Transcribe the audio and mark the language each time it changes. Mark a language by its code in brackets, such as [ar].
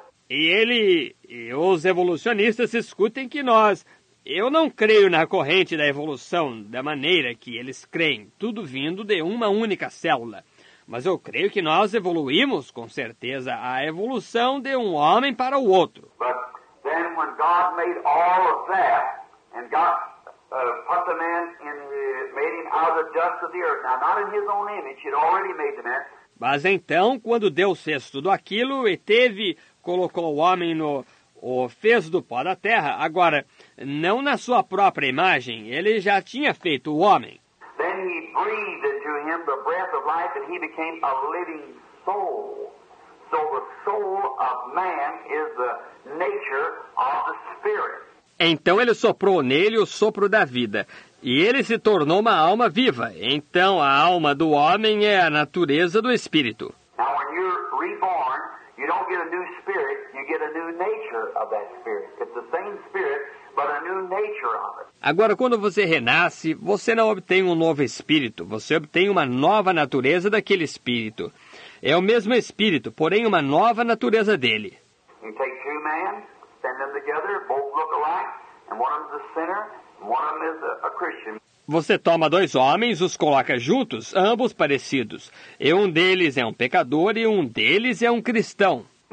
[pt] E ele e os evolucionistas escutem que nós... Eu não creio na corrente da evolução da maneira que eles creem, tudo vindo de uma única célula. Mas eu creio que nós evoluímos, com certeza, a evolução de um homem para o outro. [en] But then when God made all of that, and God put the man in, made him out of the dust of the earth, now not in his own image, he'd already made the man. [pt] Mas então, quando Deus fez tudo aquilo e colocou o homem no... O fez do pó da terra, agora, não na sua própria imagem, ele já tinha feito o homem. [en] Then he breathed into him the breath of life and he became a living soul. So the soul of man is the nature of the spirit. [pt] Então ele soprou nele o sopro da vida e ele se tornou uma alma viva. Então a alma do homem é a natureza do espírito. [en] Now when you're reborn, you don't get a new spirit, you get a new nature of that spirit. It's the same spirit, but a new nature of it. [pt] Agora, quando você renasce, você não obtém um novo espírito, você obtém uma nova natureza daquele espírito. É o mesmo espírito, porém uma nova natureza dele. [en] You take two men, send them together, both look alike, and one of them is a sinner, and one of them is a Christian. [pt] Você toma dois homens, os coloca juntos, ambos parecidos. E um deles é um pecador e um deles é um cristão.